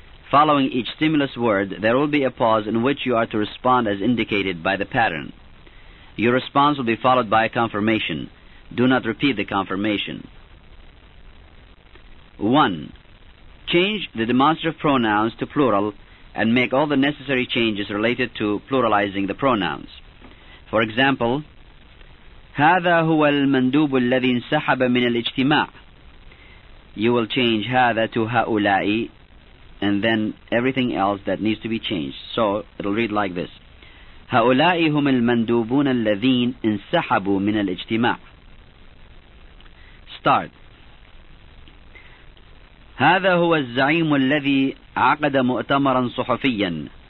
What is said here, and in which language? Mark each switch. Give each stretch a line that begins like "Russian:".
English: Following each stimulus word, there will be a pause in which you are to respond as indicated by the pattern. Your response will be followed by a confirmation. Do not repeat the confirmation. 1. Change the demonstrative pronouns to plural and make all the necessary changes related to pluralizing the pronouns. For example,
Arabic: هذا هو المندوب الذي انسحب من الاجتماع.
English: You will change هذا to هؤلاء and then everything else that needs to be changed. So it'll read like this.
Arabic: هؤلاء هم المندوبون الذين انسحبوا من الاجتماع.
English: Start.
Arabic: هذا هو الزعيم الذي عقد مؤتمرا صحفيا.